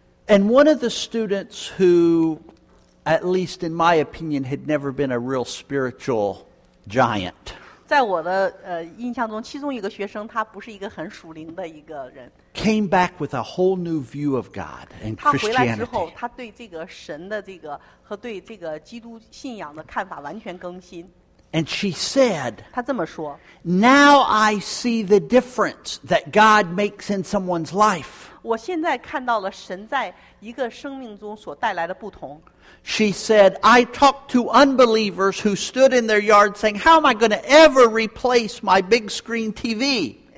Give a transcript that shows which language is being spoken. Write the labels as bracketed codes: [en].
[en] And one of the students who, at least in my opinion, had never been a real spiritual giant. [zh] 在我的印象中，其中一个学生，他不是一个很属灵的一个人。 [en] Came back with a whole new view of God and Christianity. [zh] 他回来之后，他对这个神的这个和对这个基督信仰的看法完全更新。 [en] And she said, [zh] 他这么说, [en] Now I see the difference that God makes in someone's life. [zh] 我现在看到了神在一个生命中所带来的不同。 [en] She said, I talked to unbelievers who stood in their yard saying, How am I going to ever replace my big screen TV?